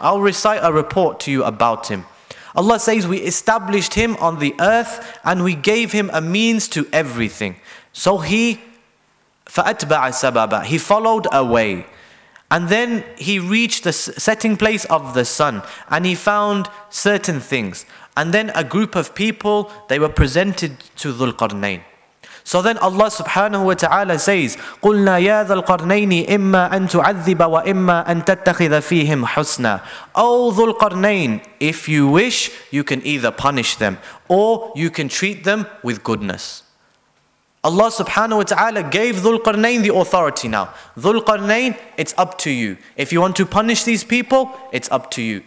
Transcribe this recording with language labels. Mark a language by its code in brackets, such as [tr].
[en] I'll recite a report to you about him. Allah says, we established him on the earth and we gave him a means to everything. So he [ar] فَأَتْبَعَ سَبَبًا. [en] He followed a way. And then he reached the setting place of the sun. And he found certain things. And then a group of people, they were presented to ذُلْقَرْنَيْنِ. So then Allah subhanahu wa ta'ala says, [ar] قُلْنَا يَا ذَا الْقَرْنَيْنِ إِمَّا أَن تُعَذِّبَ وَإِمَّا أَن تَتَّخِذَ فِيهِمْ حُسْنًا. [en] O ذُلْقَرْنَيْنِ, if you wish, you can either punish them or you can treat them with goodness. Allah subhanahu wa ta'ala gave ذُلْقَرْنَيْنِ the authority now. ذُلْقَرْنَيْنِ, it's up to you. If you want to punish these people, it's up to you.